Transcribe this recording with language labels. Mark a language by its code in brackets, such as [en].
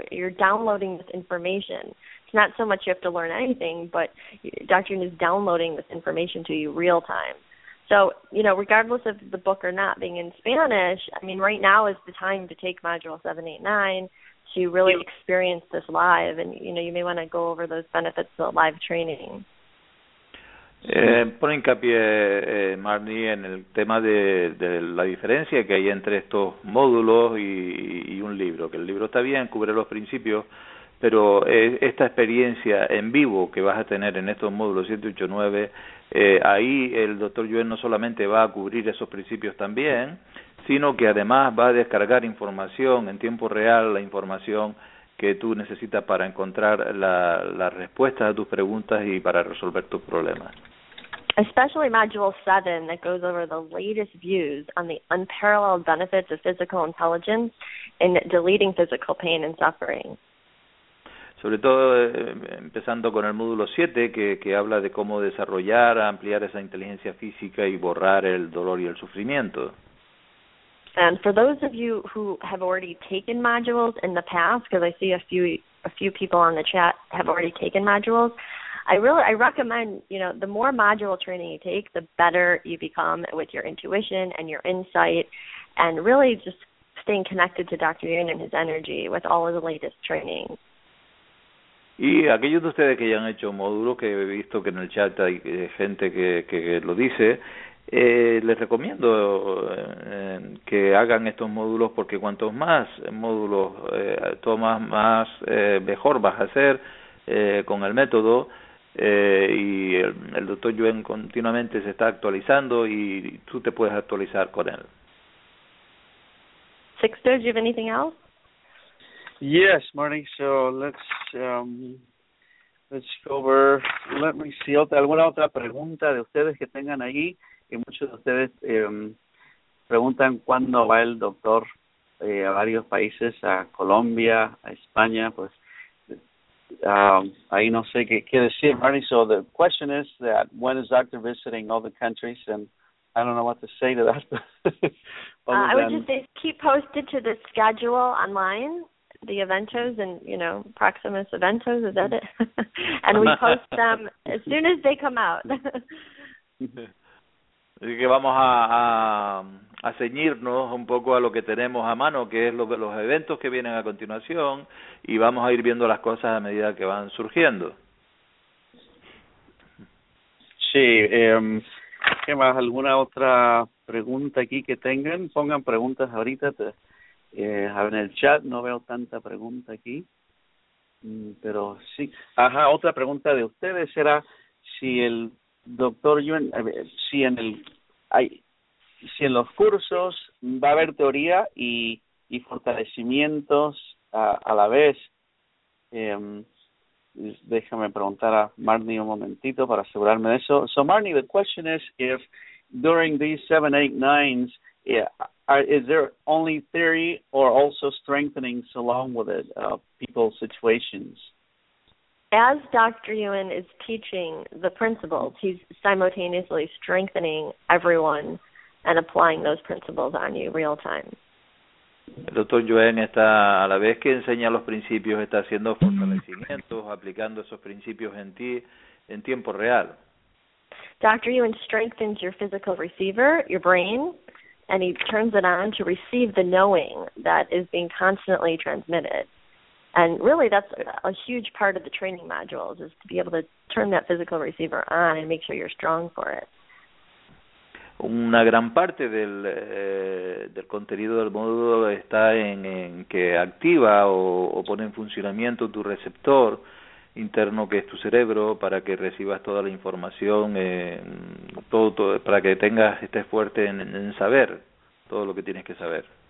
[en] You're downloading this information. It's not so much you have to learn anything, but your document is downloading this information to you real time. So, you know, regardless of the book or not being in Spanish, I mean, right now is the time to take Module 789 to really experience this live. And, you know, you may want to go over those benefits of the live training. [es] Pone hincapié, Marnie, en el tema de la diferencia que hay entre estos módulos y un libro. Que el libro está bien, cubre los principios, pero esta experiencia en vivo que vas a tener en estos módulos 7, 8, 9, ahí el doctor Yuen no solamente va a cubrir esos principios también, sino que además va a descargar información en tiempo real, la información que tú necesitas para encontrar las respuestas a tus preguntas y para resolver tus problemas. [en] Especially Module 7 that goes over the latest views on the unparalleled benefits of physical intelligence in deleting physical pain and suffering. [es] Sobre todo empezando con el módulo 7 que habla de cómo desarrollar, ampliar esa inteligencia física y borrar el dolor y el sufrimiento. [en] And for those of you who have already taken modules in the past, because I see a few people on the chat have already taken modules, I recommend, you know, the more module training you take, the better you become with your intuition and your insight and really just staying connected to Dr. Yuen and his energy with all of the latest training. [es] Y aquellos de ustedes que ya han hecho módulos, que he visto que en el chat hay gente que lo dice, les recomiendo que hagan estos módulos porque cuantos más módulos tomas, más mejor vas a ser con el método. Y el doctor Yuen continuamente se está actualizando y tú te puedes actualizar con él. [en] Sixto, do you have anything else? Yes, Marty. So let's go over. Let me see. [es] ¿Alguna otra pregunta de ustedes que tengan ahí? Y muchos de ustedes preguntan cuándo va el doctor a varios países, a Colombia, a España, pues ahí no sé qué decir, Marnie. [en] So the question is that when is doctor visiting all the countries, and I don't know what to say to that. I would just say keep posted to the schedule online, the Eventos and, you know, Proximus Eventos, is that it? And we post them as soon as they come out. [es] Así que vamos a ceñirnos un poco a lo que tenemos a mano, que es los eventos que vienen a continuación, y vamos a ir viendo las cosas a medida que van surgiendo. Sí, ¿qué más? ¿Alguna otra pregunta aquí que tengan? Pongan preguntas ahorita en el chat, no veo tanta pregunta aquí, pero sí. Ajá, otra pregunta de ustedes era si el doctor, yo, si en el hay, si en los cursos va a haber teoría y fortalecimientos a la vez. Déjame preguntar a Marnie un momentito para asegurarme de eso. [en] So Marnie, the question is, if during these 7, 8, 9s, is there only theory or also strengthenings along with it, people's situations? As Dr. Yuen is teaching the principles, he's simultaneously strengthening everyone and applying those principles on you real time. [es] El doctor Yuen está, a la vez que enseña los principios, está haciendo fortalecimientos, aplicando esos principios en ti en tiempo real. [en] Dr. Yuen strengthens your physical receiver, your brain, and he turns it on to receive the knowing that is being constantly transmitted. And really, that's a huge part of the training modules, is to be able to turn that physical receiver on and make sure you're strong for it. [es] Una gran parte del del contenido del módulo está en que activa o pone en funcionamiento tu receptor interno, que es tu cerebro, para que recibas toda la información, todo para que tengas, estés fuerte en saber todo lo que tienes que saber.